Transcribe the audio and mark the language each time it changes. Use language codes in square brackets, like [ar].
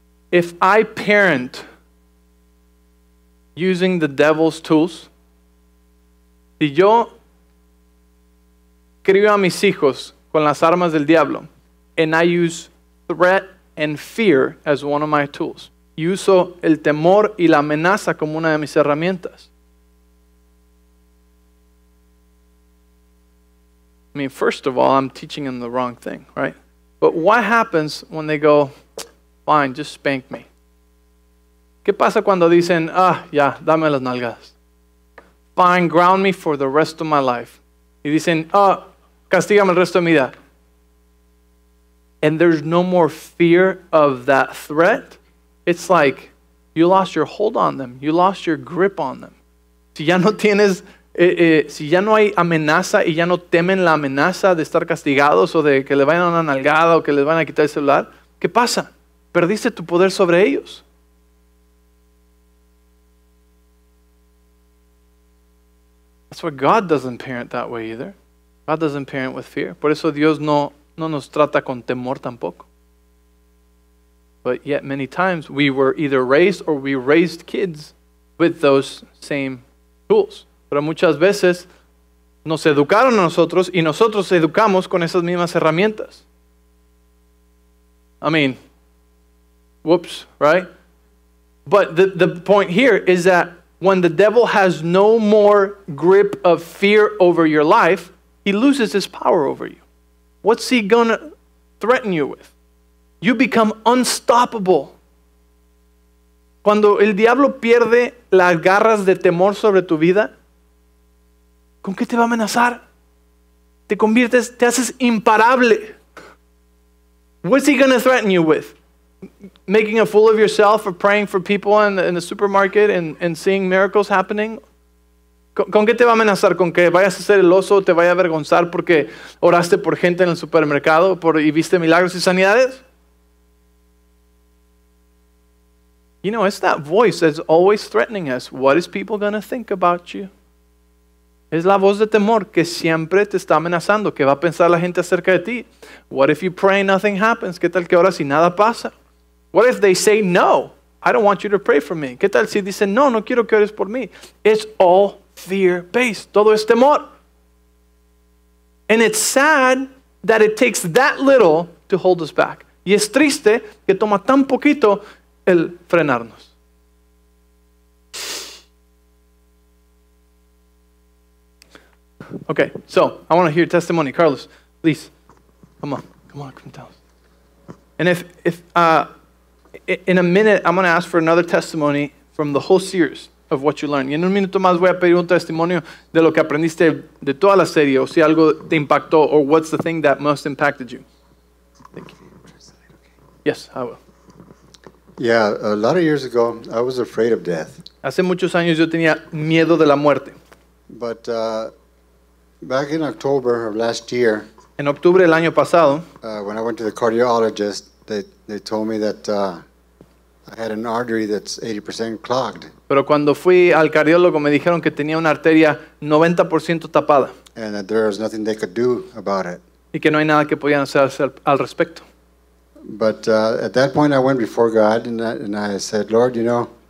[en] If I parent using the devil's tools, [es] si yo crio a mis hijos con las armas del diablo, [en] and I use threat and fear as one of my tools, [es] y uso el temor y la amenaza como una de mis herramientas. [en] I mean, first of all, I'm teaching them the wrong thing, right? But what happens when they go, fine, just spank me? [es] ¿Qué pasa cuando dicen, ah, ya, dame las nalgas? [en] Fine, ground me for the rest of my life. [es] Y dicen, ah, castígame el resto de mi vida. [en] And there's no more fear of that threat. It's like you lost your hold on them. You lost your grip on them. [es] Si ya no tienes, si ya no hay amenaza y ya no temen la amenaza de estar castigados o de que le vayan a una nalgada o que les van a quitar el celular, ¿qué pasa? Perdiste tu poder sobre ellos. [en] That's why God doesn't parent that way either. God doesn't parent with fear. [es] Por eso Dios no nos trata con temor tampoco. [en] But yet many times we were either raised or we raised kids with those same tools. [es] Pero muchas veces nos educaron a nosotros y nosotros educamos con esas mismas herramientas. [en] I mean, whoops, right? But the point here is that when the devil has no more grip of fear over your life, he loses his power over you. What's he gonna threaten you with? You become unstoppable. [es] Cuando el diablo pierde las garras de temor sobre tu vida, ¿con qué te va a amenazar? Te conviertes, te haces imparable. [en] What's he going to threaten you with? Making a fool of yourself or praying for people in the supermarket and seeing miracles happening? [es] ¿Con qué te va a amenazar? ¿Con que vayas a ser el oso o te vaya a avergonzar porque oraste por gente en el supermercado y viste milagros y sanidades? [en] You know, it's that voice that's always threatening us. What is people going to think about you? [es] Es la voz de temor que siempre te está amenazando, que va a pensar la gente acerca de ti. [en] What if you pray and nothing happens? [es] ¿Qué tal que ahora si nada pasa? [en] What if they say no? I don't want you to pray for me. [es] ¿Qué tal si dicen no, no quiero que ores por mí? [en] It's all fear-based. [es] Todo es temor. [en] And it's sad that it takes that little to hold us back. [es] Y es triste que toma tan poquito el frenarnos. [en] Okay, so I want to hear testimony. Carlos, please, come on. Come on, come tell us. And in a minute, I'm going to ask for another testimony from the whole series of what you learned. [es] Y en un minuto más voy a pedir un testimonio de lo que aprendiste de toda la serie, o si algo te impactó, [en] or what's the thing that most impacted you. Thank you. Yes, I will. Yeah, a lot of years ago, I was afraid of death. [es] Hace muchos años yo tenía miedo de la muerte. [en] But... Back in October of last year, [es] en octubre del año pasado, [en] when I went to the cardiologist, they told me that I had an artery that's 80% clogged. [es] Pero cuando fui al cardiólogo me dijeron que tenía una arteria 90% tapada. And that there was nothing they could do about it. Y que no hay nada que podían hacer al respecto. [en] But at that point I went before God and I said, Lord, you know.